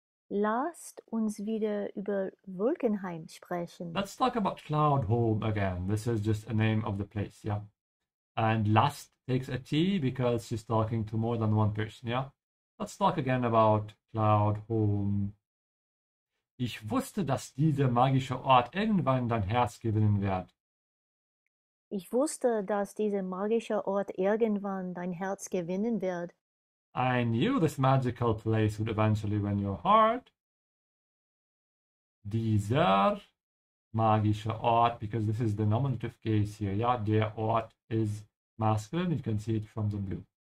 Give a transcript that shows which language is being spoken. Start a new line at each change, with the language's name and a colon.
German: Lasst uns wieder über Wolkenheim sprechen.
English: Let's talk about Cloud Home again. This is just a name of the place, yeah? And Lust takes a T because she's talking to more than one person, yeah? Let's talk again about Cloud Home.
German: Ich wusste, dass dieser magische Ort irgendwann dein Herz gewinnen wird. Ich wusste, dass dieser magische Ort irgendwann dein Herz gewinnen wird.
English: I knew this magical place would eventually win your heart.
German: Dieser magische Ort,
English: because this is the nominative case here.
German: Ja, der Ort
English: is masculine. You can see it from the blue.